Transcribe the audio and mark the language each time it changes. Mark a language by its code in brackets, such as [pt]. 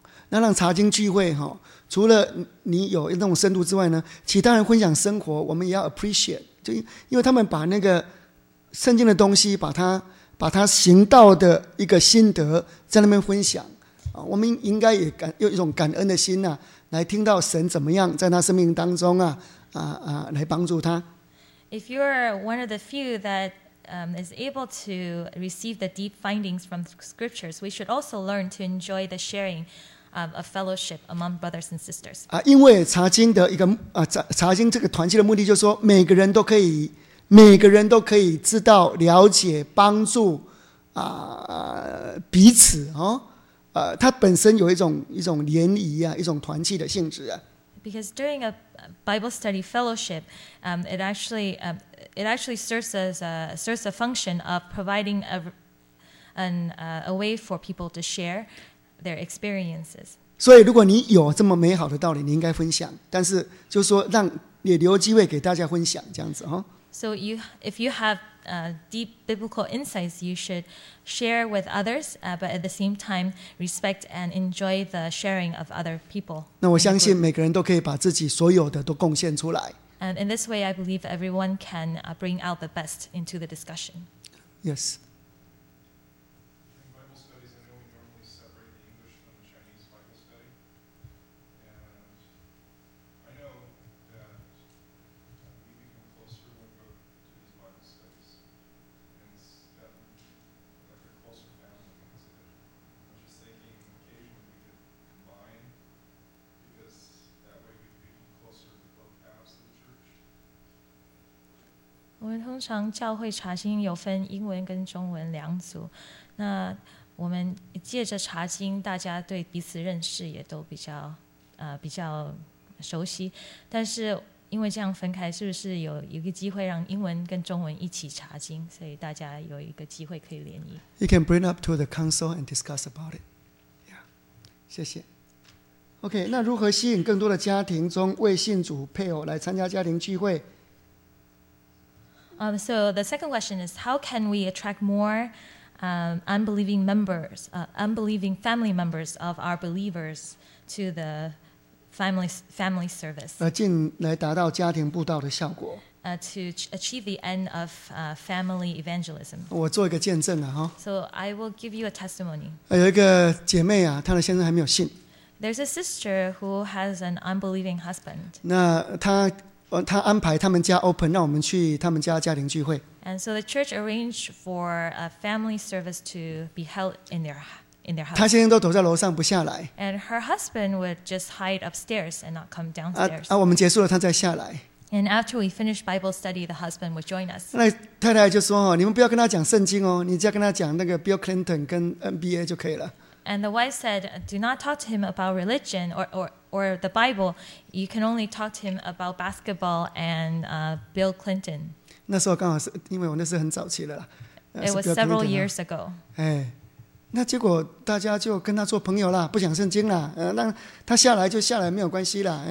[zh] 那让查经聚会，除了你有那种深度之外呢，其他人分享生活我们也要 appreciate， 就因为他们把那个圣经的东西把他行道的一个心得在那边分享，我们应该也有一种感恩的心啊，来听到神怎么样在他生命当中来帮助他。 [en] If you're one of the few that is able to receive the deep findings from scriptures, we should also learn to enjoy the sharing of fellowship among brothers and sisters. [zh] 因为查经的一个查经这个团契的目的就是说每个人都可以知道、了解、帮助彼此哦，它本身有一种联谊啊，一种团契的性质啊。 [en] Because during a Bible study fellowship, it actually serves a function of providing a way for people to share their experiences. [zh] 所以如果你有这么美好的道理，你应该分享，但是就是说让也留机会给大家分享这样子。 [en] So you, if you have deep biblical insights, you should share with others, but at the same time, respect and enjoy the sharing of other people. [zh] 那我相信每个人都可以把自己所有的都贡献出来。 [en] And in this way, I believe everyone can bring out the best into the discussion. Yes. [zh] 我们通常教会查经有分英文跟中文两组，那我们借着查经，大家对彼此认识也都比较熟悉。但是因为这样分开，是不是有一个机会让英文跟中文一起查经，所以大家有一个机会可以联谊 [en] ？You can bring up to the council and discuss about it. [zh] Yeah, 谢谢。 OK, 那如何吸引更多的家庭中未信主配偶来参加家庭聚会？ [en] So the second question is, how can we attract more unbelieving members, unbelieving family members of our believers to the family service? [zh] 进来达到家庭布道的效果。 [en] To achieve the end of family evangelism. [zh] 我做一个见证了哈。 [en] So I will give you a testimony. [zh] 有一个姐妹啊，她的先生还没有信。 [en] There's a sister who has an unbelieving husband. [zh] 那她。他安排他们家 open 让我们去他们家家庭聚会。 [en] And so the church arranged for a family service to be held in their house. [zh] 他先生都躲在楼上不下来。 [en] And her husband would just hide upstairs and not come downstairs. [zh] 我们结束了，他再下来。 [en] And after we finished Bible study, the husband would join us. [zh] 那太太就说：“哦，你们不要跟他讲圣经哦，你只要跟他讲那个 Bill Clinton 跟 NBA 就可以了。” [en] And the wife said, "Do not talk to him about religion or the Bible. You can only talk to him about basketball and Bill Clinton." [zh] 那时候刚好是因为我那是很早期了啦。 [en] It was several years ago. [zh] 哎，那结果大家就跟他做朋友啦，不讲圣经啦。让他下来就下来，没有关系啦。